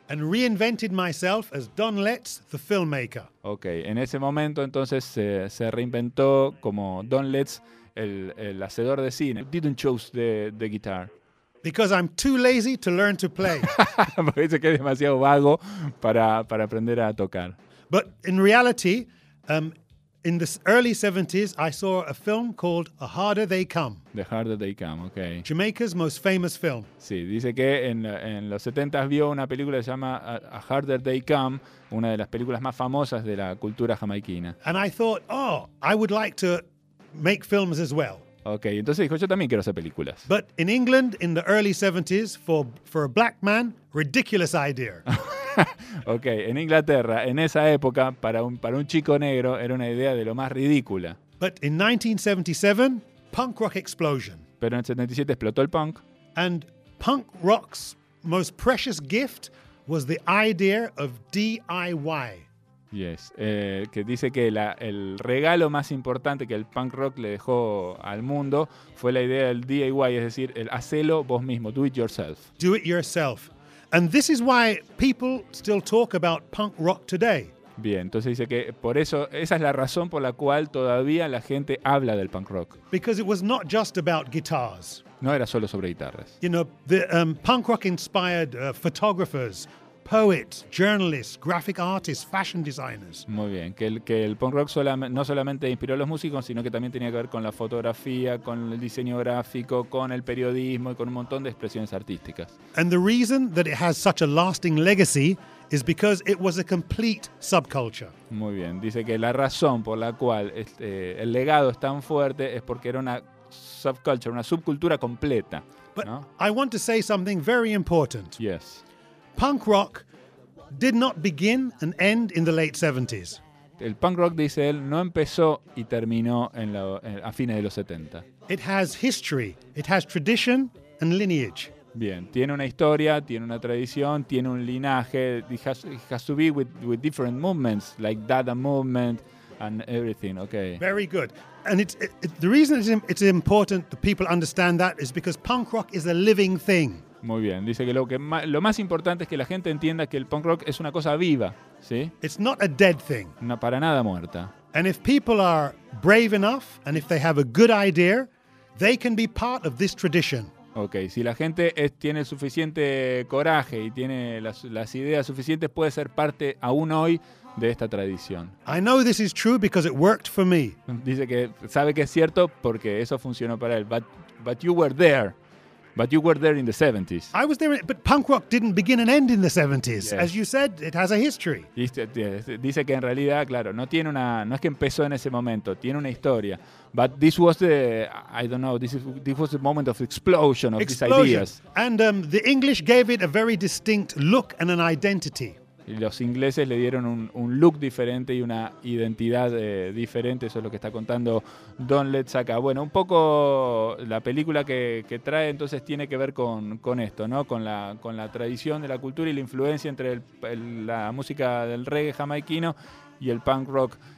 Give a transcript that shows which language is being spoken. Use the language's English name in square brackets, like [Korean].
[English] And reinvented myself as Don Letts, the filmmaker. [Spanish] Okay, en ese momento entonces se reinventó como Don Letts, el hacedor de cine. [English] Didn't choose the guitar. Because I'm too lazy to learn to play. [Spanish] Porque dice que es demasiado vago para aprender a tocar. [English] But in reality, in the early 70s, I saw a film called The Harder They Come. The Harder They Come, okay. Jamaica's most famous film. [Spanish] Sí, dice que en los 70s vio una película que se llama A Harder They Come, una de las películas más famosas de la cultura jamaiquina. [English] And I thought, oh, I would like to make films as well. [Spanish] Okay, entonces dijo, yo también quiero hacer películas. [English] But in England, in the early 70s, for a black man, ridiculous idea. [Spanish] Ok, en Inglaterra, en esa época, para un chico negro, era una idea de lo más ridícula. [English] But in 1977, punk rock explosion. [Spanish] Pero en el 77 explotó el punk. [English] And punk rock's most precious gift was the idea of DIY. [Spanish] Yes, que dice que el regalo más importante que el punk rock le dejó al mundo fue la idea del DIY, es decir, el hacelo vos mismo, [English] do it yourself. Do it yourself. And this is why people still talk about punk rock today. [Spanish] Bien, entonces dice que por eso, esa es la razón por la cual todavía la gente habla del punk rock. [English] Because it was not just about guitars. [Spanish] No era solo sobre guitarras. [English] You know, the punk rock inspired photographers, poets, journalists, graphic artists, fashion designers. [Spanish] Muy bien, que el punk rock no solamente inspiró a los músicos, sino que también tenía que ver con la fotografía, con el diseño gráfico, con el periodismo y con un montón de expresiones artísticas. [English] And the reason that it has such a lasting legacy is because it was a complete subculture. [Spanish] Muy bien, dice que la razón por la cual el legado es tan fuerte es porque era una subculture, una subcultura completa. [English] But [Spanish] ¿no? [English] I want to say something very important. Yes. Punk rock did not begin and end in the late 70s. [Spanish] El punk rock, dice él, no empezó y terminó a fines de los 70. [English] It has history, it has tradition and lineage. [Spanish] Bien, tiene una historia, tiene una tradición, tiene un linaje. [English] It has to be with different movements, like Dada movement and everything, okay. Very good. And the reason it's important that people understand that is because punk rock is a living thing. [Spanish] Muy bien, dice que lo más importante es que la gente entienda que el punk rock es una cosa viva, ¿sí? [English] It's not a dead thing. [Spanish] No, para nada muerta. [English] And if people are brave enough and if they have a good idea, they can be part of this tradition. [Spanish] Okay, si la gente tiene el suficiente coraje y tiene las ideas suficientes, puede ser parte aún hoy de esta tradición. [English] I know this is true because it worked for me. [Spanish] Dice que sabe que es cierto porque eso funcionó para él. [English] But you were there. But you were there in the 70s. I was there, but punk rock didn't begin and end in the 70s. Yes. As you said, it has a history. [Spanish] Dice que en realidad, claro, no es que empezó en ese momento, tiene una historia. [English] But this was the, I don't know, this was the moment of explosion of explosion. These ideas. And the English gave it a very distinct look and an identity. [Spanish] los ingleses le dieron un look diferente y una identidad diferente. Eso es lo que está contando Don Letzaka. Bueno, un poco la película que trae entonces tiene que ver con esto, ¿no? Con la tradición de la cultura y la influencia entre la música del reggae jamaiquino y el punk rock.